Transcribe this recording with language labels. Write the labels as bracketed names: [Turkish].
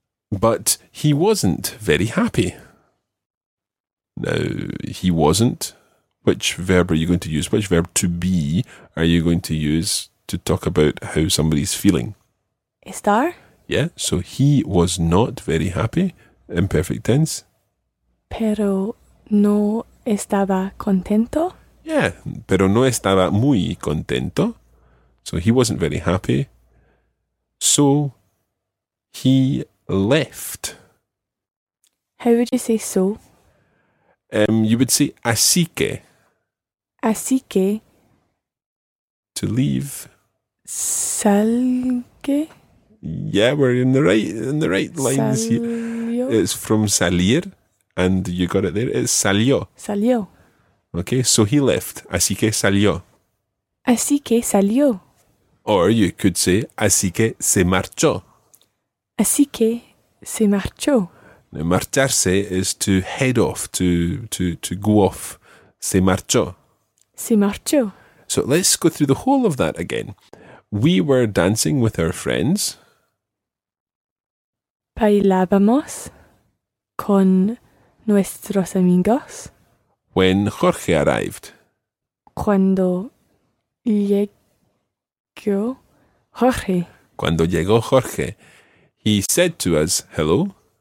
[English] But he wasn't very happy. Now, he wasn't. Which verb are you going to use? Which verb to be are you going to use to talk about how somebody's feeling? [Spanish] Estar. [English] Yeah, so he was not very happy, imperfect tense. [Spanish] Pero no estaba contento. Yeah, pero no estaba muy contento. [English] So he wasn't very happy. So he left. How would you say so? You would say [Spanish] así que. Así que. [English] To leave. [Spanish] Salgue. [English] Yeah, we're in the right lines. [Spanish] Salió. [English] Here. It's from salir. And you got it there. It's salió. [Spanish] Salió. [English] Okay, so he left. [Spanish] Así que salió. Así que salió. [English] Or you could say, [Spanish] así que se marchó. Así que se marchó. [English] Now, marcharse is to head off, to go off. [Spanish] Se marchó. Se marchó. [English] So let's go through the whole of that again. We were dancing with our friends. [Spanish] Bailábamos con nuestros amigos. [English] When Jorge arrived. [Spanish] Cuando llegó Jorge. Cuando llegó Jorge. [English] He said to us, hello.